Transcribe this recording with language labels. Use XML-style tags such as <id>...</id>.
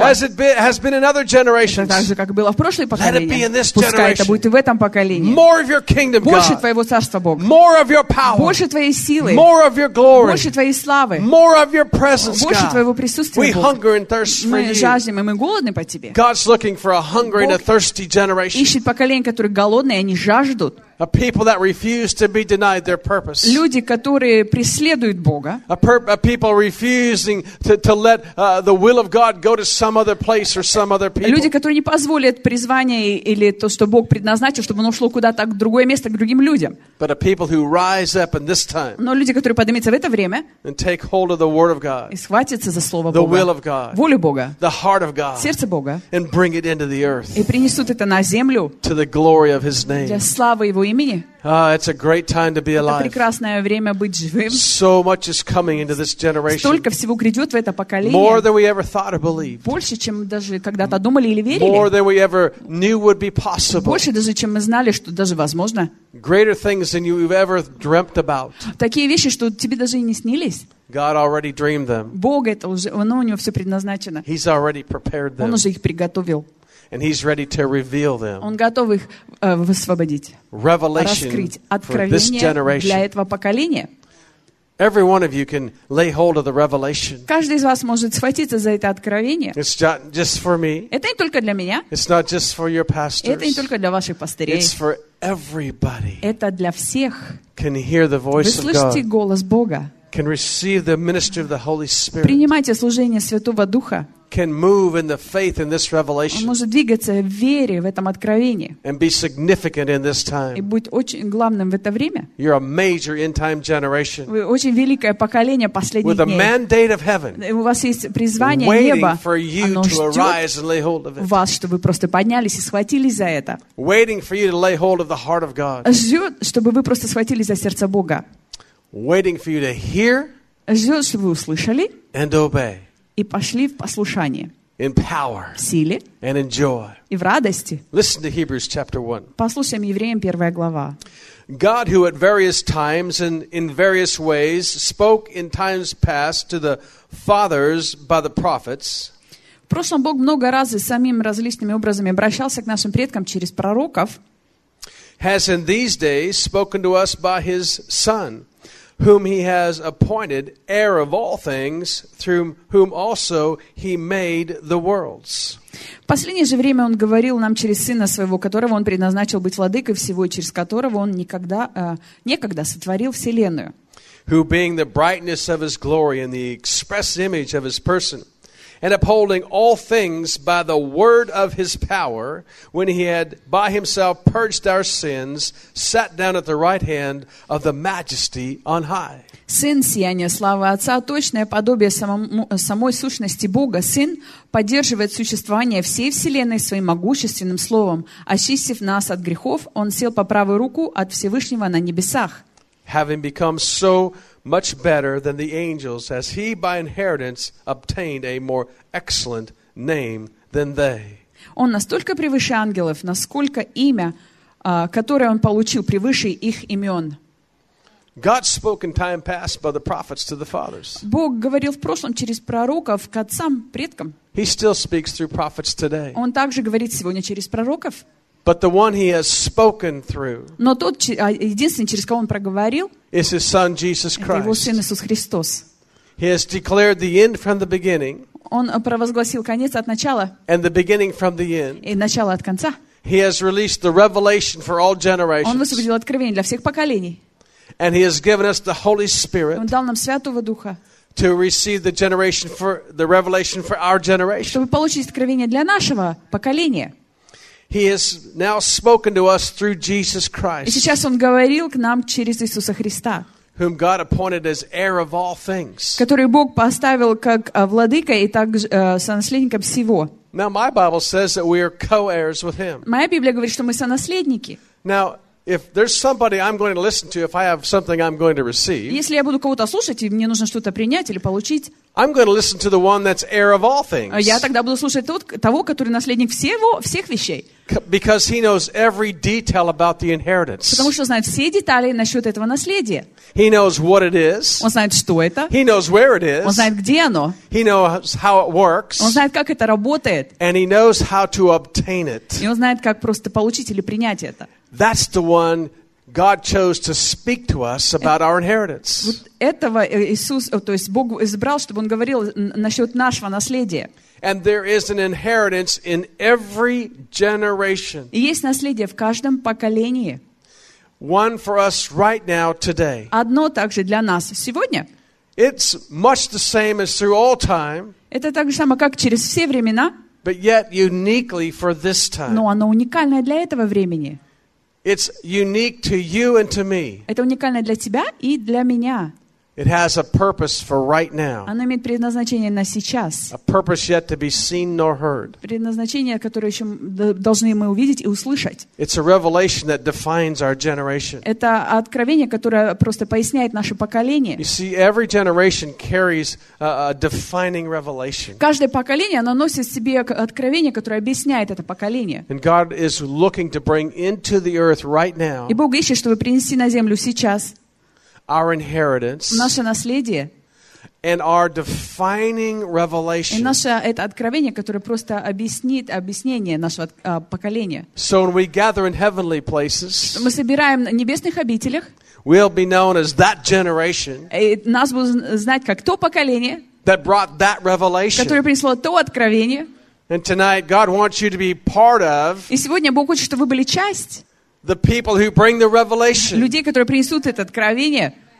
<en>As it has been in other generations.</en> <ru>Так же как было в прошлые поколения.</ru> <en>Let it be in this generation.</en> <ru>Пускай это будет и в этом поколении.</ru> <en>More of your kingdom, God.</en> <ru>Больше твоего царства, Бог.</ru> <en>More of your power.</en> <ru>Больше твоей силы.</ru> <en>More of your glory.</en> <ru>Больше твоей славы.</ru> <en>More of your presence, God.</en> <ru>Больше твоего присутствия, Бог.</ru> <en>We hunger and thirst for you.</en> <ru>Мы жаждем и мы голодны по тебе.</ru> <en>God's looking for a hungry and a thirsty generation.</en> <ru>Ищет поколение, которое голодное, они жаждут.</ru> <en>A people that refuse to be denied their purpose.</en> <ru>Люди, которые преследуют Бога.</ru> <en>A people refusing to let the will of God go to some other place or some other people.</en> <ru>Люди, которые не позволят призвание или то, что Бог предназначил, чтобы оно ушло куда-то, в другое место, к другим людям.</ru> <en>But a people who rise up in this time.</en> <ru>Но люди, которые поднимутся в это время.</ru> <en>And take hold of the word of God.</en> <ru>И схватятся за слово Бога.</ru> <en>The will of God.</en> <ru>Волю Бога.</ru> <en>The heart of God.</en> <ru>Сердце Бога.</ru> <en>And bring it into the earth.</en> <ru>И принесут это на землю.</ru> <en>To the glory of His name.</en> <ru>Для славы Его имени.</ru> <en>It's a great time to be alive.</en> <ru>Это прекрасное время быть живым.</ru> <en>So much is coming into this generation.</en> <ru>Столько всего грядет в это поколение.</ru> <en>More than we ever thought or believed.</en> <ru>Больше, чем даже когда-то думали или верили.</ru> <en>More than we ever knew would be possible.</en> <ru>Больше даже, чем мы знали, что даже возможно.</ru> <en>Greater things than you've ever dreamt about.</en> <ru>Такие вещи, что тебе даже и не снились.</ru> <en>God already dreamed them.</en> <ru>Бог это уже, у него все предназначено.</ru> <en>He's already prepared them.</en> <ru>Он уже их приготовил.</ru> <en>And He's ready to reveal them.</en> <ru>Он готов их высвободить.</ru> <en>Revelation for this generation.</en> <ru>Для этого поколения.</ru> <en>Every one of you can lay hold of the revelation.</en> <ru>Каждый из вас может схватиться за это откровение.</ru> <en>It's not just for me.</en> <ru>Это не только для меня.</ru> <en>It's not just for your pastors.</en> <ru>Это не только для ваших пастырей.</ru> <en>It's for everybody.</en> <ru>Это для всех.</ru> <en>Can hear the voice of God.</en> <ru>Вы слышите голос Бога.</ru> <en>Can receive the ministry of the Holy Spirit.</en> <ru>Принимайте служение Святого Духа.</ru> <en>Can move in the faith in this revelation.</en> <ru>Он может двигаться в вере в этом откровении.</ru> <en>And be significant in this time.</en> <ru>И быть очень главным в это время.</ru> <en>You're a major end time generation.</en> <ru>Вы очень великое поколение последних дней.</ru> <en>With a mandate of heaven.</en> <ru>У вас есть призвание неба.</ru> <en>Waiting for you to arise and lay hold of it.</en> <ru>Вас, чтобы вы просто поднялись и схватились за это.</ru> <en>Waiting for you to lay hold of the heart of God.</en> <ru>Ждет, чтобы вы просто схватились за сердце Бога.</ru> <en>Waiting for you to hear.</en> <ru>Ждет, чтобы вы услышали.</ru> <en>And obey.</en> <ru>И пошли в послушание.</ru> <en>In power.</en> <ru>В силе.</ru> <en>And in joy.</en> <ru>И в радости.</ru> <en>Listen to Hebrews chapter 1.</en> <ru>Послушаем Евреям 1 глава.</ru> <en>God who at various times and in various ways spoke in times past to the fathers by the prophets.</en> <ru>В прошлом Бог много раз и самим различными образами обращался к нашим предкам через пророков.</ru> <en>Has in these days spoken to us by His Son. Whom He has appointed heir of all things, through whom also He made the worlds.</en> <ru>В последнее же время Он говорил нам через Сына Своего, которого Он предназначил быть владыкой всего, через которого Он некогда сотворил вселенную.</ru> <en>Who being the brightness of His glory and the express image of His person, and upholding all things by the word of his power, when he had by himself purged our sins, sat down at the right hand of the majesty on high.</en> <ru>Сын сияния славы Отца, точное подобие самой сущности Бога, Сын поддерживает существование всей вселенной своим могущественным словом, очистив нас от грехов, он сел по правую руку от Всевышнего на небесах.</ru> <en>Having become so much better than the angels, as he by inheritance obtained a more excellent name than they.</en> <ru>Он настолько превыше ангелов, насколько имя, которое он получил превыше их имен.</ru> <en>God spoke in time past by the prophets to the fathers.</en> <ru>Бог говорил в прошлом через пророков к отцам, предкам.</ru> <en>He still speaks through prophets today.</en> <ru>Он также говорит сегодня через пророков.</ru> <en>But the one he has spoken through.</en> <ru>Но тот единственный, через кого он проговорил,</ru> <en>is his son Jesus Christ.</en> <ru>Это его сын Иисус Христос.</ru> <en>He has declared the end from the beginning.</en> <ru>Он провозгласил конец от начала.</ru> <en>And the beginning from the end.</en> <ru>И начало от конца.</ru> <en>He has released the revelation for all generations.</en> <ru>Он высвободил откровение для всех поколений.</ru> <en>And he has given us the Holy Spirit.</en> <ru>Он дал нам Святого Духа.</ru> <en>To receive the generation for the revelation for our generation.</en> <ru>Чтобы получить откровение для нашего поколения.</ru> <en>He has now spoken to us through Jesus Christ.</en> <ru>И сейчас он говорил к нам через Иисуса Христа.</ru> <en>Whom God appointed as heir of all things.</en> <ru>Который Бог поставил как владыка и также сонаследником всего.</ru> <en>Now my Bible says that we are co-heirs with him.</en> <ru>Моя Библия говорит, что мы сонаследники.</ru> <en>Now if there's somebody I'm going to listen to, if I have something I'm going to receive,</en> <ru>если я буду кого-то слушать, и мне нужно что-то принять или получить,</ru> <en>I'm going to listen to the one that's heir of all things.</en> <ru>Я тогда буду слушать того, который наследник всех вещей.</ru> <en>Because he knows every detail about the inheritance.</en> <ru>Потому что знает все детали насчет этого наследия.</ru> <en>He knows what it is.</en> <ru>Он знает, что это.</ru> <en>He knows where it is.</en> <ru>Он знает, где оно.</ru> <en>He knows how it works.</en> <ru>Он знает, как это работает.</ru> <en>And he knows how to obtain it.</en> <ru>И он знает, как просто получить или принять это.</ru> <en>That's the one God chose to speak to us about our inheritance.</en> <ru>Вот этого Иисус, то есть Бог избрал, чтобы он говорил насчет нашего наследия.</ru> <en>And there is an inheritance in every generation.</en> <ru>И есть наследие в каждом поколении.</ru> <en>One for us right now today.</en> <ru>Одно также для нас сегодня.</ru> <en>It's much the same as through all time.</en> <ru>Это так же самое, как через все времена.</ru> <en>But yet uniquely for this time.</en> <ru>Но оно уникальное для этого времени.</ru> <en>It's unique to you and to me.</en> <ru>Это уникально для тебя и для меня.</ru> <en>It has a purpose for right now.</en> <ru>Оно имеет предназначение на сейчас.</ru> <en>A purpose yet to be seen nor heard.</en> <ru>Предназначение, которое еще должны мы увидеть и услышать.</ru> <en>It's a revelation that defines our generation.</en> <ru>Это откровение, которое просто поясняет наше поколение.</ru> <en>You see, every generation carries a defining revelation.</en> <ru>Каждое поколение носит в себе откровение, которое объясняет это поколение.</ru> <en>And God is looking to bring into the earth right now.</en> <ru>И Бог ищет, чтобы принести на землю сейчас.</ru> <en>Our inheritance,</en> <ru>наше наследие,</ru> <en>and our defining revelation,</en> <ru>и наше это откровение, которое просто объяснит объяснение нашего поколения.</ru> <en>So when we gather in heavenly places,</en> <ru>мы собираем в небесных обителях,</ru> <en>we'll be known as that generation,</en> <ru>и нас будут знать как то поколение,</ru> <en>that brought that revelation,</en> <ru>которое принесло то откровение.</ru> <en>And tonight, God wants you to be part of.</en> <ru>И сегодня Бог хочет, чтобы вы были часть.</ru> <en>The people who bring the revelation.</en> <ru>Людей, которые принесут это откровение.</ru>